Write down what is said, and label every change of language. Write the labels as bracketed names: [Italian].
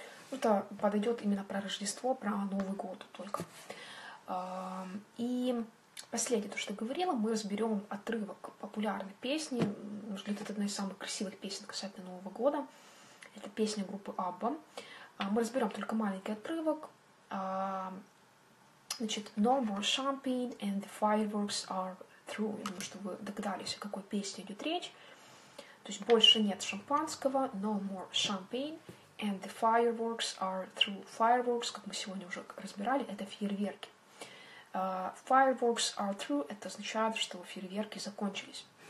[Russian] Это подойдет именно про Рождество, про Новый год только. И последнее, то, что говорила, мы разберем отрывок популярной песни. Может, это одна из самых красивых песен касательно Нового года. Это песня группы ABBA. Мы разберем только маленький отрывок. [English] Значит, No more champagne and the fireworks are through. [Russian] Я думаю, что вы догадались, о какой песне идет речь. То есть больше нет шампанского, [English] no more champagne. And the fireworks are through. [Russian] Fireworks, как мы сегодня уже разбирали, это фейерверки. [English] Fireworks are through [Russian] — это означает, что фейерверки закончились.